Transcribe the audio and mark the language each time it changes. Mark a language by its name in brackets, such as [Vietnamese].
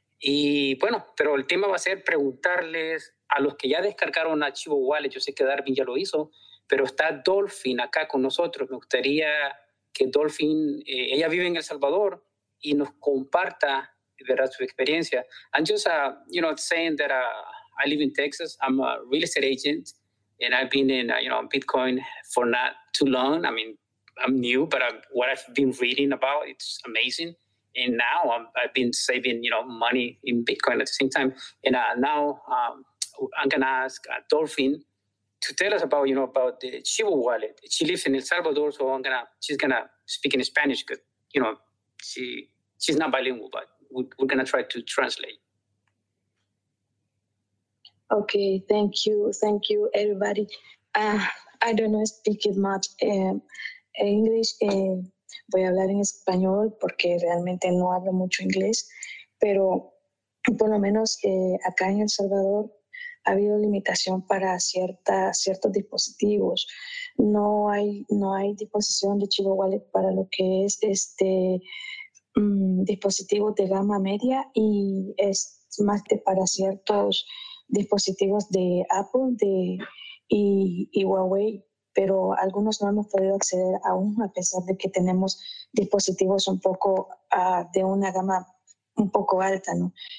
[Spanish] Y bueno, pero el tema va a ser preguntarles a los que ya descargaron Chivo Wallet. Yo sé que Darwin ya lo hizo, pero está Dolphin acá con nosotros. Me gustaría que Dolphin, ella vive en El Salvador, y nos comparta, ¿verdad?, su experiencia. [English] I'm just, you know, saying that I live in Texas. I'm a real estate agent, and I've been in, Bitcoin for not too long. I mean, I'm new, but what I've been reading about, it's amazing. And now I've been saving, money in Bitcoin at the same time. And I'm going to ask Dolphin to tell us about, about the Chivo wallet. She lives in El Salvador, so she's going to speak in Spanish because, she's not bilingual, but we're going to try to translate. Okay, thank you. Thank you, everybody. I don't speak much English. [Spanish] voy a hablar en español porque realmente no hablo mucho inglés, pero por lo menos acá en El Salvador ha habido limitación para ciertos dispositivos. No hay disposición de Chivo Wallet para lo que es dispositivos de gama media y es más que para ciertos dispositivos de Apple y Huawei, pero algunos no hemos podido acceder aún a pesar de que tenemos dispositivos un poco de una gama un poco alta, ¿no?